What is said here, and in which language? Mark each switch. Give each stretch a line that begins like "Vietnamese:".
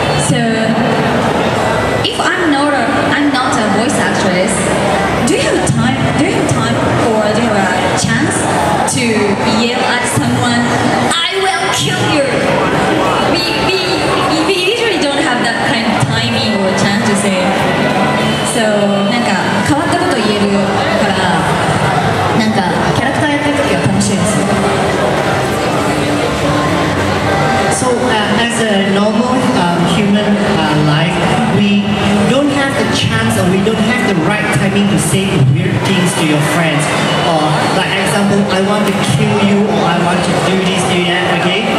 English: So if I'm not a voice actress, do you have time or do you have a chance to yell at someone, I will kill you? We usually don't have that kind of timing or chance to say.
Japanese: So, なんか変わったことを言えるから、なんかキャラクターやってるときは楽しいです。
English: So, as a normal human life, we don't have the chance or we don't have the right timing to say weird things to your friends. Or, like example, I want to kill you or I want to do this, do that, okay?